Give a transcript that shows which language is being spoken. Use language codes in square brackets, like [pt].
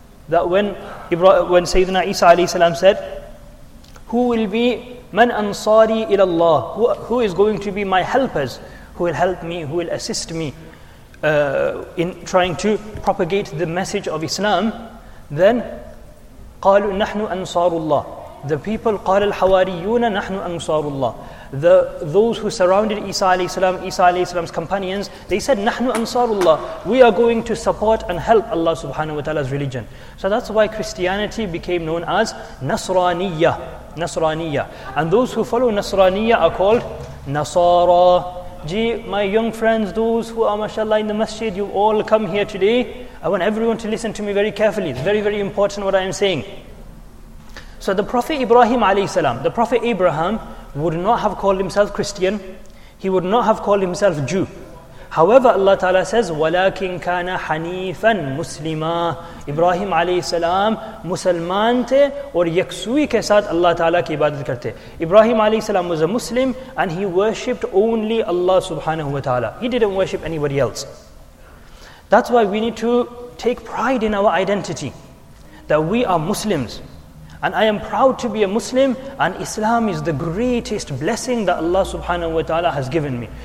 [en] That when Sayyidina Isa alayhi salam said, who will be [ar] man ansari ila Allah? [en] Who is going to be my helpers? Who will help me? Who will assist me in trying to propagate the message of Islam? Then [ar] قَالُوا نَحْنُ أَنصَارُ اللَّهِ. [en] The people [ar] قَالَ الْحَوَارِيُّونَ نَحْنُ أَنصَارُ اللَّهِ. [en] Those who surrounded Isa alayhi salam, Isa alayhi salam's companions, they said, [ar] نَحْنُ أَنصَارُ اللَّهِ. [en] We are going to support and help Allah subhanahu wa ta'ala's religion. So that's why Christianity became known as Nasraniya. Nasraniya. And those who follow Nasraniya are called Nasara. Gee, my young friends, those who are mashallah in the masjid, you all come here today. I want everyone to listen to me very carefully. It's very, very important what I am saying. So the Prophet Ibrahim alayhi salam, the Prophet Abraham would not have called himself Christian. He would not have called himself Jew. However, Allah Ta'ala says, [ar] وَلَكِنْ كَانَ حَنِيفًا مُسْلِمًا. [ur] Ibrahim alayhi salam مسلمان تھے اور یکسوئی کے ساتھ اللہ تعالیٰ کی عبادت کرتے. [en] Ibrahim alayhi salam was a Muslim and he worshipped only Allah subhanahu wa ta'ala. He didn't worship anybody else. That's why we need to take pride in our identity, that we are Muslims. And I am proud to be a Muslim, and Islam is the greatest blessing that Allah subhanahu wa ta'ala has given me.